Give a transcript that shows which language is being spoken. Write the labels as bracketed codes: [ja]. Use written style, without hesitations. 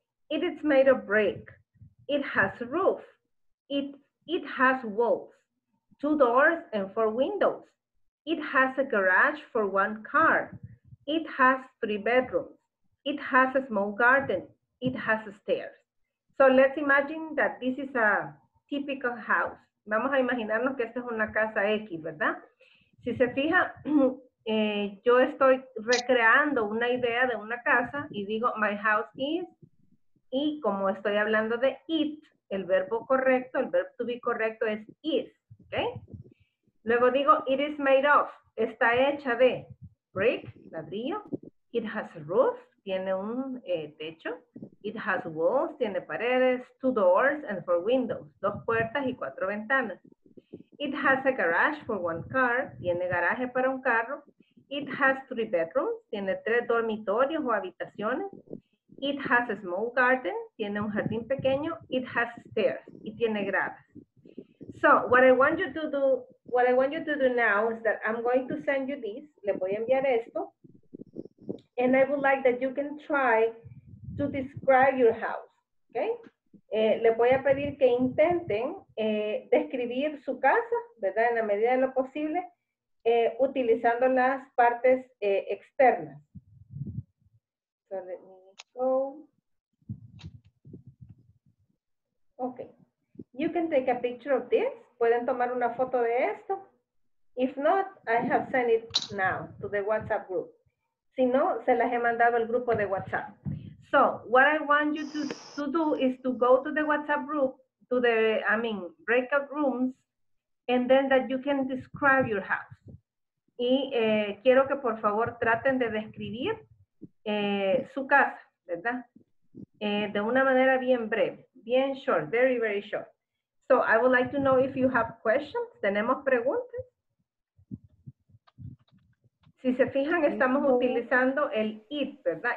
[en] It is made of brick. It has a roof. It has walls, two doors and four windows. It has a garage for one car. It has three bedrooms. It has a small garden. It has stairs. So let's imagine that this is a typical house. [es] Vamos a imaginarnos que esta es una casa X, ¿verdad? Si se fija, yo estoy recreando una idea de una casa y digo, [en] my house is, [es] y como estoy hablando de it, el verbo correcto, el verbo to be correcto es is, ¿ok? Luego digo, [en] it is made of, [es] está hecha de [en] brick, ladrillo, it has a roof, [es] tiene un techo, [en] it has walls, [es] tiene paredes, [en] two doors and four windows, [es] dos puertas y cuatro ventanas. [en] It has a garage for one car, [es] tiene garaje para un carro. [en] It has three bedrooms, [es] tiene tres dormitorios o habitaciones. [en] It has a small garden, [es] tiene un jardín pequeño. [en] It has stairs, [es] y tiene gradas. [en] So, what I want you to do now is that I'm going to send you this, [es] le voy a enviar esto. [en] And I would like that you can try to describe your house, okay? [es] Le voy a pedir que intenten describir su casa, ¿verdad? En la medida de lo posible, utilizando las partes externas. [en] So let me go. Okay. You can take a picture of this. [es] Pueden tomar una foto de esto. [en] If not, I have sent it now to the WhatsApp group. [es] Si no, se las he mandado al grupo de WhatsApp. [en] So, what I want you to do is to go to the WhatsApp group, to the, I mean, breakout rooms, and then that you can describe your house. [es] Y quiero que por favor traten de describir su casa, ¿verdad? De una manera bien breve, bien short, [en] very, very short. So, I would like to know if you have questions. [es] ¿Tenemos preguntas? Si se fijan, estamos utilizando el it, ¿verdad?